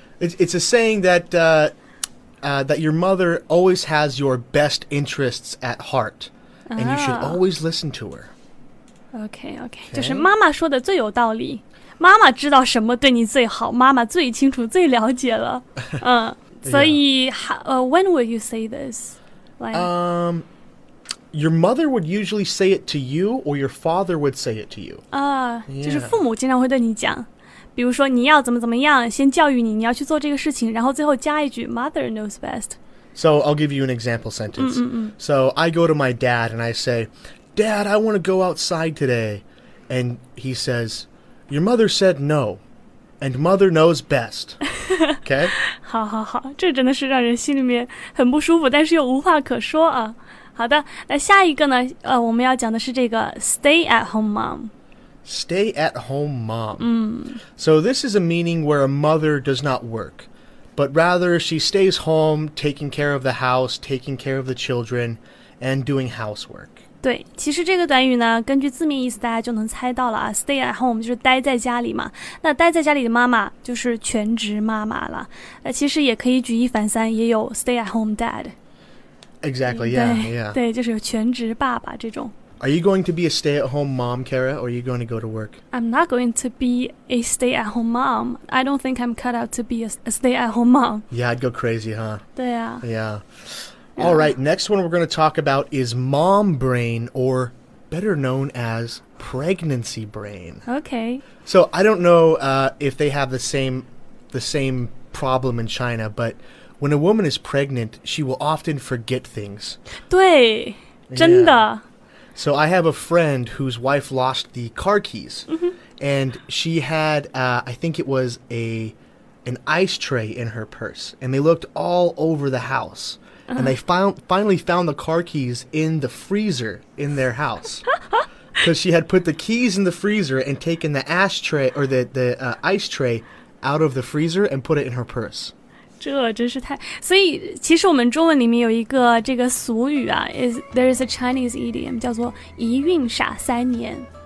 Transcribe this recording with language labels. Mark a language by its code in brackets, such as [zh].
[en] It's a saying that... that your mother always has your best interests at heart, and you should always listen to her. Okay. [zh] 就是妈妈说的最有道理。妈妈知道什么对你最好，妈妈最清楚，最了解了。所以 [en] when will you say this? Your mother would usually say it to you, or your father would say it to you. [zh] 就是父母经常会对你讲。比如说你要怎么怎么样，先教育你，你要去做这个事情，然后最后加一句 [en] Mother knows best. So I'll give you an example sentence. So I go to my dad and I say, Dad, I want to go outside today. And he says, Your mother said no. And mother knows best. Okay? [zh] 好，这真的是让人心里面很不舒服，但是又无话可说啊。好的，那下一个呢，我们要讲的是这个 [en] Stay at home mom. Stay at home mom. Mm. So this is a meaning where a mother does not work, but rather she stays home, taking care of the house, taking care of the children, and doing housework. [zh] 对，其实这个短语呢，根据字面意思大家就能猜到了啊。 [en] Stay at home [zh] 就是待在家里嘛。那待在家里的妈妈就是全职妈妈了。其实也可以举一反三，也有 [en] stay at home dad. Exactly. Yeah. [zh] 对，就是有全职爸爸这种。 [en] Are you going to be a stay-at-home mom, Kara, or are you going to go to work? I'm not going to be a stay-at-home mom. I don't think I'm cut out to be a stay-at-home mom. Yeah, I'd go crazy, huh? [zh] 对啊。 [en] Yeah. All right, next one we're going to talk about is mom brain, or better known as pregnancy brain. Okay. So I don't know if they have the same problem in China, but when a woman is pregnant, she will often forget things. [zh] 对,真的。 [en] Yeah. So I have a friend whose wife lost the car keys, and she had, I think it was an ice tray in her purse, and they looked all over the house, and they finally found the car keys in the freezer in their house, because she had put the keys in the freezer and taken the ashtray, or the ice tray out of the freezer and put it in her purse. [zh] 这真是太所以其实我们中文里面有一个这个俗语啊 [en] There is a Chinese idiom [zh] 叫做一孕傻三年